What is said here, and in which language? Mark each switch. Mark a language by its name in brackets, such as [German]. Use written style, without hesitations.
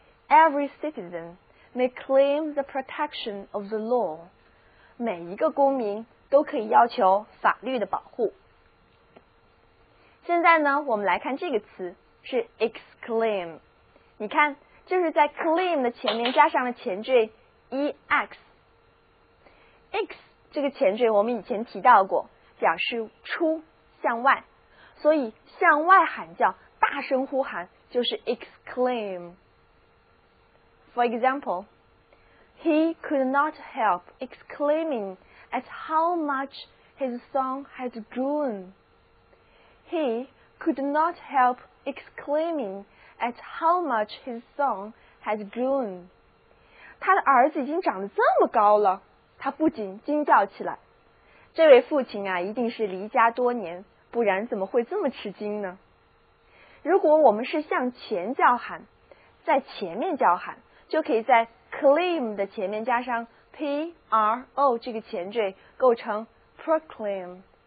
[English] Every citizen may claim the protection of the law. [Chinese] 每一个公民都可以要求法律的保护。现在呢，我们来看这个词，是 exclaim。你看，就是在 claim 的前面加上了前缀 ex。 ex这个前缀我们以前提到过，表示出、向外，所以向外喊叫、大声呼喊就是 exclaim。 [English] For example, He could not help exclaiming at how much his son had grown. He could not help exclaiming at how much his son had grown. [Chinese] 他的儿子已经长得这么高了，他不仅惊叫起来。这位父亲啊，一定是离家多年，不然怎么会这么吃惊呢？如果我们是向前叫喊，在前面叫喊，就可以在 claim 的前面加上 pro 这个前缀，构成 proclaim。